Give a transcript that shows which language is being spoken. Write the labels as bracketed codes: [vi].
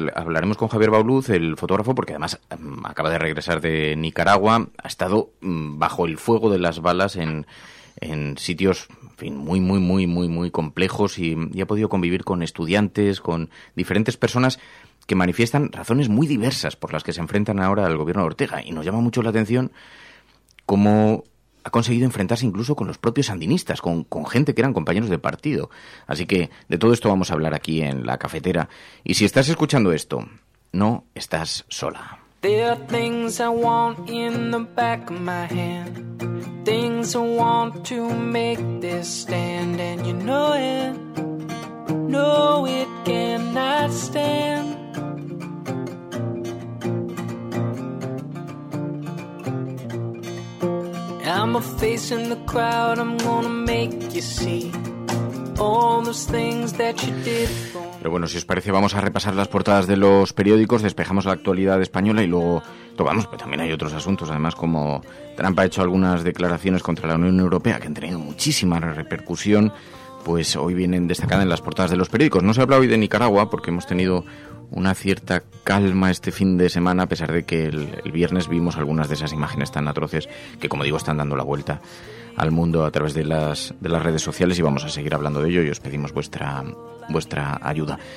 [es] Hablaremos con Javier Bauluz, el fotógrafo, porque además acaba de regresar de Nicaragua, ha estado bajo el fuego de las balas en sitios, en fin, muy, muy, muy, muy, muy complejos, y ha podido convivir con estudiantes, con diferentes personas que manifiestan razones muy diversas por las que se enfrentan ahora al gobierno de Ortega. Y nos llama mucho la atención cómo ha conseguido enfrentarse incluso con los propios sandinistas, con gente que eran compañeros de partido. Así que de todo esto vamos a hablar aquí en La Cafetera. Y si estás escuchando esto, no estás sola. [en] There are things I want in the back of my hand, things I want to make this stand, and you know it, no, it cannot stand. I'm a face in the crowd, I'm gonna make you see all those things that you did. [es] Pero bueno, si os parece, vamos a repasar las portadas de los periódicos, despejamos la actualidad española y luego tocamos, pues también hay otros asuntos, además como Trump ha hecho algunas declaraciones contra la Unión Europea que han tenido muchísima repercusión, pues hoy vienen destacadas en las portadas de los periódicos. No se habla hoy de Nicaragua porque hemos tenido una cierta calma este fin de semana, a pesar de que el viernes vimos algunas de esas imágenes tan atroces que, como digo, están dando la vuelta al mundo a través de las redes sociales, y vamos a seguir hablando de ello y os pedimos vuestra ayuda.